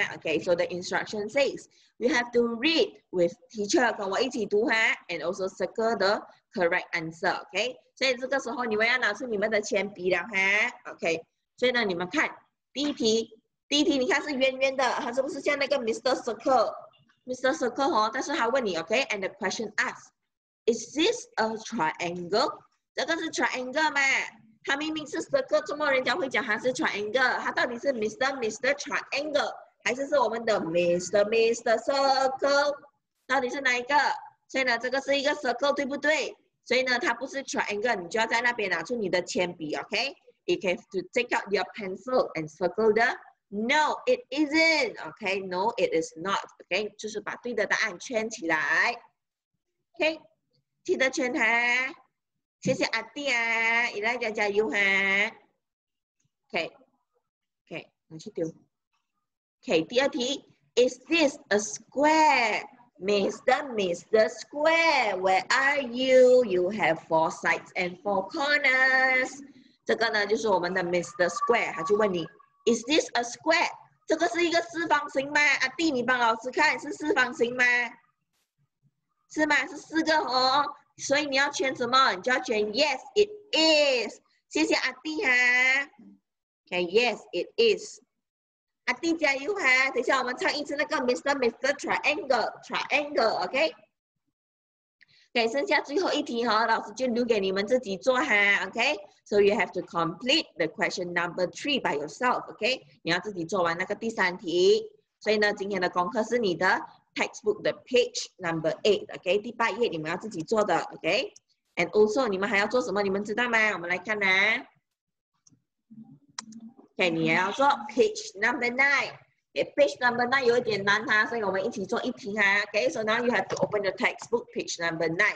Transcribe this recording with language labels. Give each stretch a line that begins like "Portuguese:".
English: Okay, so the instruction says, we have to read with teacher,
Chinese: 跟我一起读哈。
English: And also circle the correct answer, okay?
Chinese: 所以这个时候你们要拿出你们的铅笔了哈。 Okay, 所以呢你们看第一题，第一题你看是圆圆的，它是不是像那个 Mr. Circle 哦，但是他问你 ，okay?
English: And the question asks, is this a triangle?
Chinese: 这个是 triangle 吗？他明明是 circle， 怎么人家会讲他是 triangle？ 他到底是 Mr. Triangle， 还是是我们的 Mr. Circle？ 到底是哪一个？所以呢，这个是一个 circle， 对不对？所以呢，它不是 triangle， 你就要在那边拿出你的铅笔 ，OK？
English: You have to take out your pencil and circle the no， it isn't， OK？ No， it is not， OK？
Chinese: 就是把对的答案圈起来 ，OK？记得圈它。谢谢阿弟啊，伊拉加加油哈。
English: OK，
Chinese: 我去丢。
English: OK，
Chinese: 第二题
English: ，Is this a square, Mr. Square? Where are you? You have four sides and four corners.
Chinese: 这个呢就是我们的 Mr. Square， 他就问你 ，
English: Is this a square?
Chinese: 这个是一个四方形吗？阿弟，你帮老师看是四方形吗？是吗？是四个哦。所以你要圈什么？你就要圈
English: Yes, it is.
Chinese: 谢谢阿弟哈。
English: Okay, Yes, it is.
Chinese: 阿弟加油哈！等一下我们唱一次那个 Mr.
English: Triangle, okay?
Chinese: Okay, 剩下最后一题哈，老师就留给你们自己做哈。
English: Okay, so you have to complete the question number 3 by yourself.
Chinese: Okay, 你要自己做完那个第三题。所以呢，今天的功课是你的。
English: Textbook the page number 8
Chinese: okay 第八页你们要自己做的
English: okay and also
Chinese: 你们还要做什么你们知道吗我们来看啊
English: okay
Chinese: 你也要做
English: page number 9 yeah, page number 9
Chinese: 有一点难哈所以我们一起做一题哈
English: okay so now you have to open the textbook page number 9